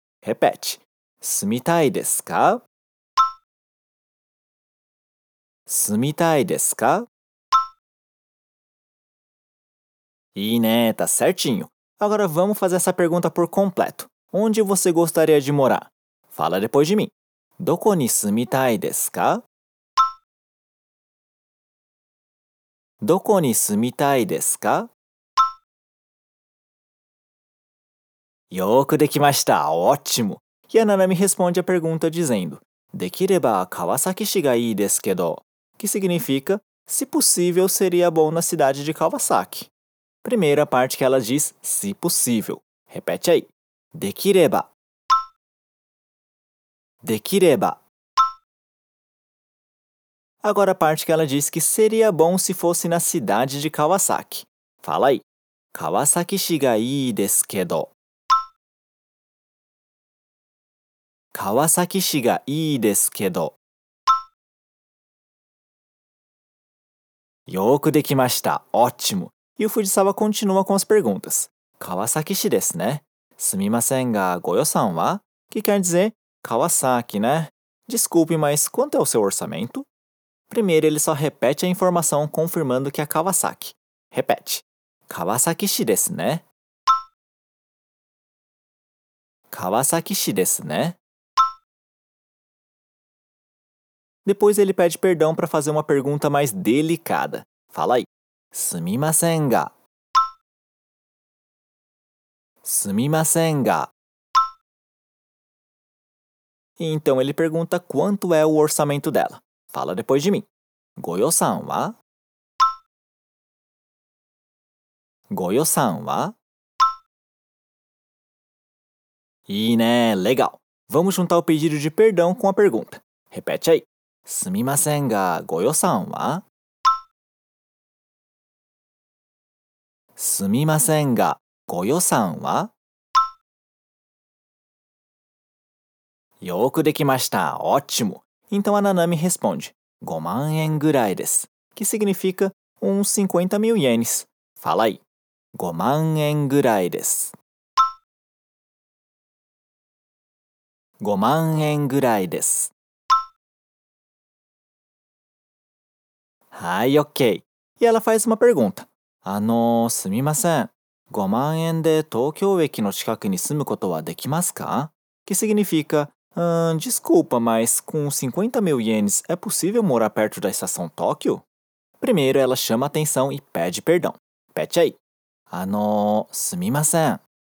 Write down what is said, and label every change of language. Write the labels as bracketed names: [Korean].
[Portuguese] Repete. [Japanese] 住みたいですか? 住みたいですか? いいね、 [Portuguese] tá certinho. Agora vamos fazer essa pergunta por completo. Onde você gostaria de morar? Fala depois de mim. [Japanese] どこに住みたいですか? どこに住みたいですか? よくできました。 [Portuguese] ótimo! E a Nanami responde a pergunta dizendo [Japanese] できれば Kawasaki 市がいいですけど [Portuguese] que significa, se possível, seria bom na cidade de Kawasaki. Primeira parte que ela diz, se possível. Repete aí. [Japanese] できれば。できれば。 [Portuguese] Agora a parte que ela diz que seria bom se fosse na cidade de Kawasaki. Fala aí. [Japanese] 川崎市がいいですけど。川崎市がいいですけど。よくできました。 [Portuguese] ótimo! E o Fujisawa continua com as perguntas. [Japanese] Kawasaki 市ですね。すみませんが、ご予算は? [Portuguese] Que quer dizer, Kawasaki, né? Desculpe, mas quanto é o seu orçamento? Primeiro, ele só repete a informação confirmando que é Kawasaki. Repete. [Japanese] Kawasaki 市ですね。 Kawasaki 市ですね。 [Portuguese] Depois, ele pede perdão para fazer uma pergunta mais delicada. Fala aí. [Japanese] すみませんが。すみませんが。 [Portuguese] Então ele pergunta quanto é o orçamento dela. Fala depois de mim. [Japanese] ご予算は? ご予算は? いいね、 [Portuguese] legal! Vamos juntar o pedido de perdão com a pergunta. Repete aí. [Japanese] すみませんが、ご予算は? すみませんが、ご予算は? よくできました。 [Portuguese] ótimo! Então a Nanami responde, [Japanese] 5万円ぐらいです。 [Portuguese] Que significa, uns 50 mil ienes. Fala aí. [Japanese] 5万円ぐらいです。 5万円ぐらいです。はい、 [Portuguese] OK! E ela faz uma pergunta. [Japanese] すみません。 5万円で東京駅の近くに住むことはできますか? [Portuguese] Que significa, desculpa, mas com 50 mil ienes é possível morar perto da estação Tóquio? Primeiro, ela chama atenção e pede perdão. Pede aí. [Japanese] すみません。